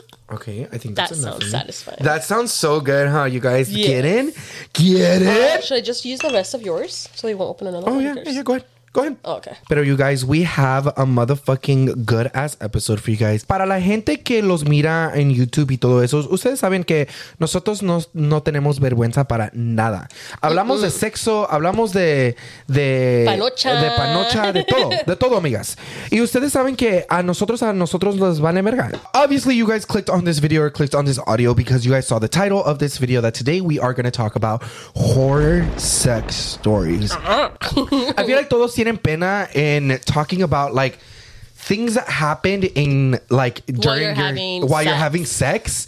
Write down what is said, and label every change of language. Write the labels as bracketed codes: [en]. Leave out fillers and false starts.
[en] Okay, I think that that's enough. That sounds satisfying. That sounds so good, huh, you guys? Yes. Get in. Get in. Should I just use the rest of yours so you won't open another one? Yeah, go ahead. Go ahead. Oh, okay. Pero you guys, we have a motherfucking good ass episode for you guys. [es] Para la gente que los mira en YouTube y todo eso, ustedes saben que nosotros no tenemos vergüenza para nada. Hablamos de sexo, hablamos de panocha. De panocha, de todo, amigas. Y ustedes saben que a nosotros los vale verga. [en] Obviously, you guys clicked on this video or clicked on this audio because you guys saw the title of this video that today we are going to talk about horror sex stories. I feel like [es] todos tienen pena en [en] talking about like things that happened in like during while you're having sex.